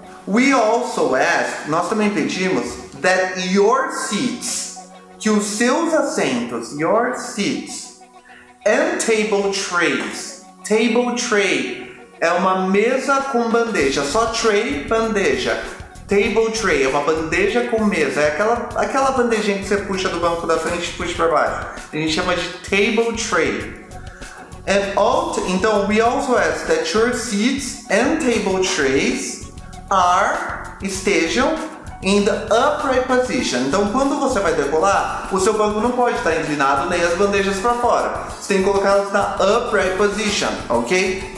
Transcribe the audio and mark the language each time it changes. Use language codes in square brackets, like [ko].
[en] We also ask, [pt] nós também pedimos, [en] that your seats, [pt] que os seus assentos, [en] your seats, and table trays. [pt] Table tray é uma mesa com bandeja, só tray, bandeja. Table tray é uma bandeja com mesa, é aquela bandejinha que você puxa do banco da frente e puxa para baixo. A gente chama de table tray. [en] And all, [pt] então, [en] we also ask that your seats and table trays are, [pt] estejam, [en] in the upright position. [pt] Então, quando você vai decolar, o seu banco não pode estar inclinado nem as bandejas para fora. Você tem que colocá-las na upright position, ok?